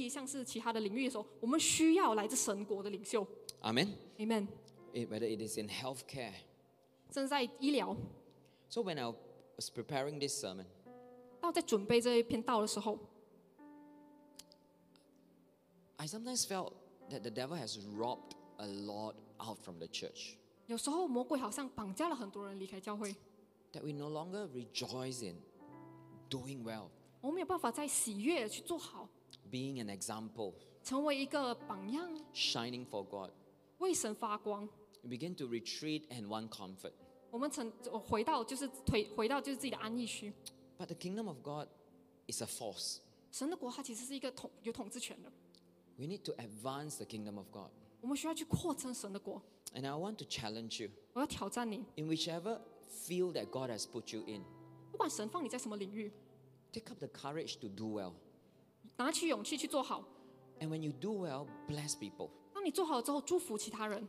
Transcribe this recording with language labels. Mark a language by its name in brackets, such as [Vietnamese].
[Chinese] 当我们来到其他的领域，像是生意，像是其他的领域的时候，我们需要来自神国的领袖。 [English] Amen. Amen. Whether it is in healthcare, [Chinese] 正在医疗。 [English] So when I was preparing this sermon, [Chinese] 当我在准备这一篇道的时候， [English] I sometimes felt that the devil has robbed a lot out from the church. [Chinese] 有时候魔鬼好像绑架了很多人离开教会。 [English] That we no longer rejoice in doing well. [Chinese] 我们没有办法再喜悦去做好。 [English] Being an example. [Chinese] 成为一个榜样。 [English] Shining for God. [Chinese] 为神发光。 [English] We begin to retreat and want comfort. [Chinese] 我们回到就是自己的安逸区。 [English] But the kingdom of God is a force. [Chinese] 神的国它其实是一个有统治权的。 [English] We need to advance the kingdom of God. [Chinese] 我们需要去扩充神的国。 [English] And I want to challenge you. [Chinese] 我要挑战你。 [English] In whichever field that God has put you in, [Chinese] 不管神放你在什么领域, [English] take up the courage to do well. [Chinese] 拿起勇气去做好。 [English] And when you do well, bless people. [Chinese] 当你做好之后祝福其他人。